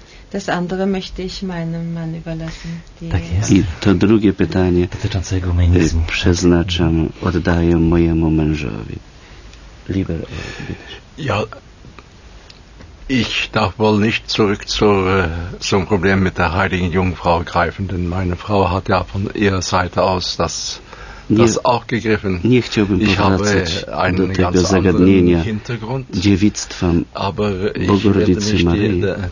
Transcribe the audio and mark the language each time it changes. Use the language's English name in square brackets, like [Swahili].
[German] Das andere möchte ich meinem Mann überlassen. [Polish] Tak jest. I to drugie pytanie przeznaczam, oddaję mojemu mężowi. [German] Lieber, ja, ich darf wohl nicht zurück zum Problem mit der heiligen Jungfrau greifen, denn meine Frau hat ja von ihrer Seite aus das auch gegriffen. [Polish] Nie chciałbym powracać do tego zagadnienia dziewictwa Bogorodicy Maryi.